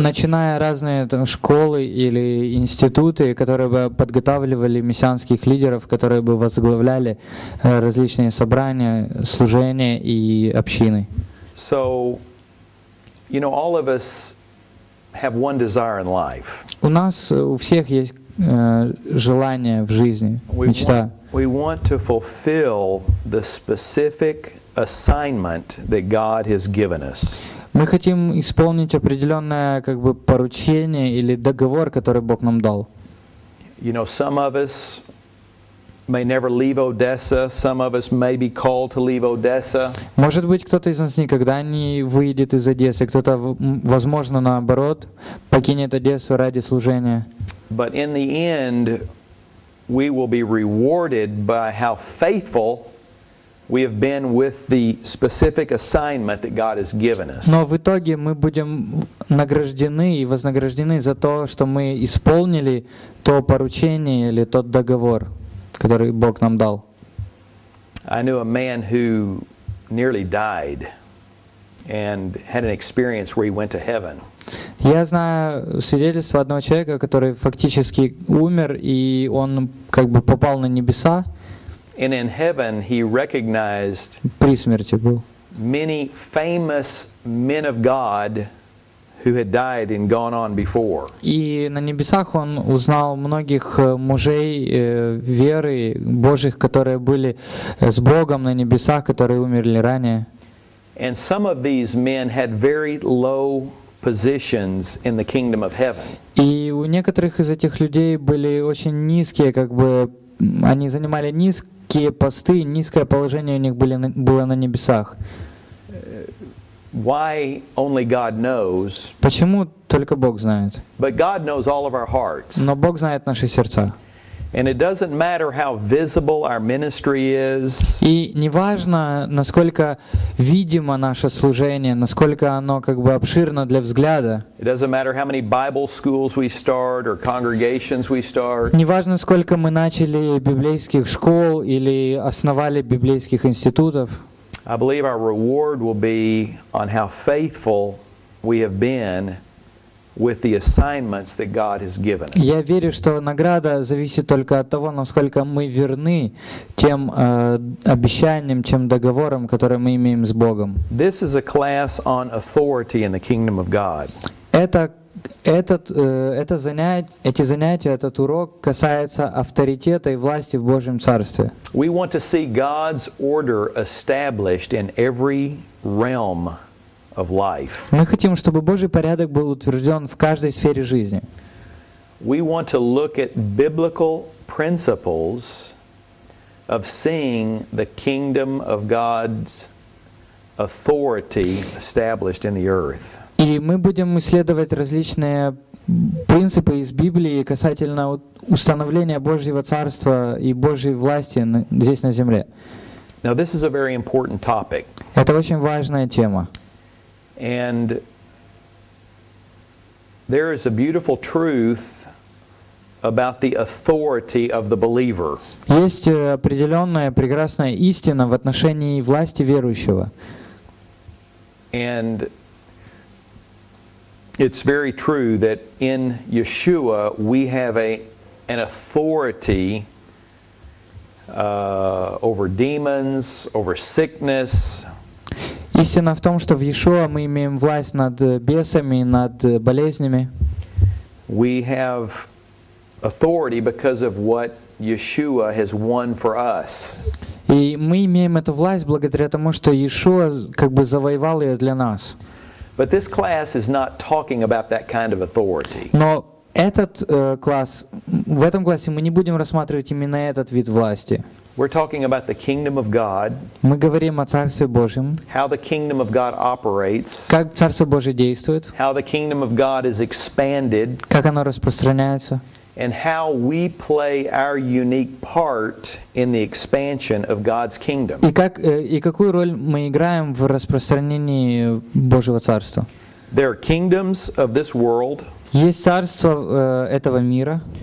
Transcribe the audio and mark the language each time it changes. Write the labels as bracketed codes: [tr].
[ru] Начиная разные там школы или институты, которые бы подготавливали мессианских лидеров, которые бы возглавляли различные собрания, служения и общины. [en] So, you know, all of us have one desire in life. [ru] У нас у всех есть желание в жизни, мечта. [en] We want to fulfill the specific assignment that God has given us. [ru] Мы хотим исполнить определенное как бы поручение или договор, который Бог нам дал. [en] You know, some of us may never leave Odessa. Some of us may be called to leave Odessa. [ru] Может быть, кто-то из нас никогда не выйдет из Одессы. Кто-то, возможно, наоборот, покинет Одессу ради служения. [en] But in the end, we will be rewarded by how faithful we have been with the specific assignment that God has given us. [ru] Но в итоге мы будем награждены и вознаграждены за то, что мы исполнили то поручение или тот договор, который Бог нам дал. [en] I knew a man who nearly died and had an experience where he went to heaven. [ru] Я знаю свидетельство одного человека, который фактически умер, и он как бы попал на небеса. [en] And in heaven he recognized [ru] при смерти был [en] many famous men of God who had died and gone on before. [ru] И на небесах он узнал многих мужей веры Божьих, которые были с Богом на небесах, которые умерли ранее. [en] And some of these men had very low positions in the kingdom of heaven. [ru] И у некоторых из этих людей были очень низкие, как бы они занимали низкие посты, низкое положение у них было на небесах. [en] Why only God knows? [ru] Почему только Бог знает? [en] But God knows all of our hearts. [ru] Но Бог знает наши сердца. [en] And it doesn't matter how visible our ministry is. [ru] И не важно, насколько видимо наше служение, насколько оно как бы обширно для взгляда. [en] It doesn't matter how many Bible schools we start or congregations we start. [ru] Не важно, сколько мы начали библейских школ или основали библейских институтов. [en] I believe our reward will be on how faithful we have been with the assignments that God has given us. [ru] Я верю, что награда зависит только от того, насколько мы верны тем обещаниям, тем договорам, которые мы имеем с Богом. [en] This is a class on authority in the kingdom of God. [ru] Эти занятия, этот урок касается авторитета и власти в Божьем Царстве. [en] We want to see God's order established in every realm of life. [ru] Мы хотим, чтобы Божий порядок был утвержден в каждой сфере жизни. [en] We want to look at biblical principles of seeing the kingdom of God's authority established in the earth. [ru] И мы будем исследовать различные принципы из Библии касательно установления Божьего Царства и Божьей власти здесь на земле. [en] Now, this is a very important topic. [ru] Это очень важная тема. [en] And there is a beautiful truth about the authority of the believer. [ru] Есть определенная прекрасная истина в отношении власти верующего. [en] And it's very true that in Yeshua we have an authority over demons, over sickness. [ru] Истина в том, что в Иешуа мы имеем власть над бесами, над болезнями. [en] We have authority because of what Yeshua has won for us. [ru] И мы имеем эту власть благодаря тому, что Иешуа как бы завоевал ее для нас. [en] But this class is not talking about that kind of authority. [ru] Но этот класс, в этом классе мы не будем рассматривать именно этот вид власти. [en] We're talking about the kingdom of God. [ru] Мы говорим о Царстве Божьем. [en] How the kingdom of God operates. [ru] Как Царство Божье действует. [en] How the kingdom of God is expanded. [ru] Как оно распространяется. [en] And how we play our unique part in the expansion of God's kingdom. [ru] И какую роль мы играем в распространении Божьего Царства. [en] There are kingdoms of this world. [ru] Есть царство этого мира.